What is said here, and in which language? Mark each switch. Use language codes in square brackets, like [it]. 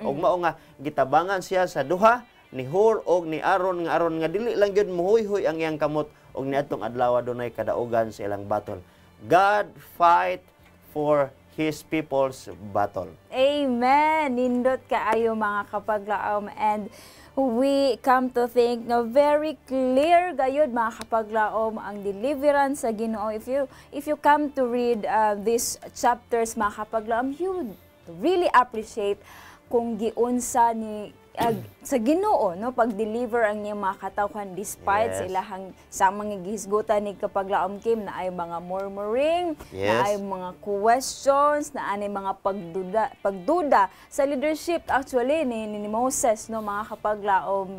[ceb] O mao nga gitabangan siya sa duha ni Hur og ni Aaron nga aron nga dili lang gyud muhuy-huy ang iyang kamot og niadtong adlaw dunay kadaugan sa ilang battle. [en] God fight for his people's battle. Amen. [ceb] Nindot kaayo mga kapaglaom, [en] and we come to think [ceb] na very clear gayud mga kapaglaom ang deliverance sa Ginoo. [en] If you come to read these chapters mga kapaglaom, you would really appreciate [ceb] kung giunsa ni sa Ginoo no pag-deliver ang iyong mga katawhan despite sila hang sa mga gihisgutan ni kapaglaom Kim na ay mga murmuring, na ay mga questions, na ay mga pagduda sa leadership actually ni Moses no mga kapaglaom.